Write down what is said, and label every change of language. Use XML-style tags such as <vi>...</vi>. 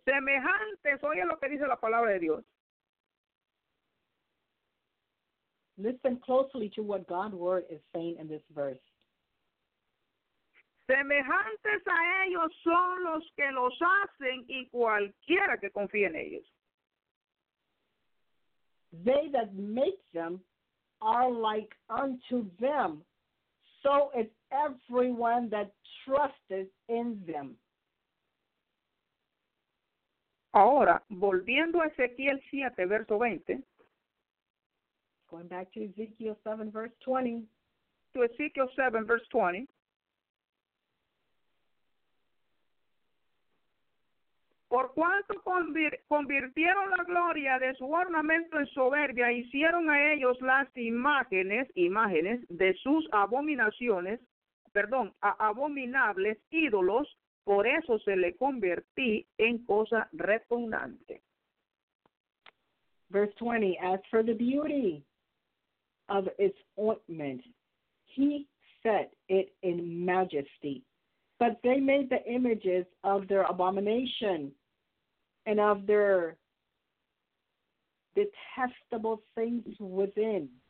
<es>Semejantes, oye lo que dice la palabra de Dios.</es> <en>Listen closely to what God's word is saying in this verse.</en> <es>Semejantes a ellos son los que los hacen y cualquiera que confíe en ellos.</es> <en>They that make them are like unto them, so is everyone that trusteth in them.</en> <es>Ahora, volviendo a Ezequiel 7, verso 20.</es> <en>Going back to Ezekiel 7, verse 20. to Ezekiel 7, verse 20.</en> <es>Por cuanto convirtieron la gloria de su ornamento en soberbia, hicieron a ellos las imágenes de sus abominaciones, perdón, a abominables ídolos, por eso se le convertí en cosa repugnante.</es> <en>Verse 20, as for the beauty of its ointment, he set it in majesty, but they made the images of their abomination and of their detestable things within.</en>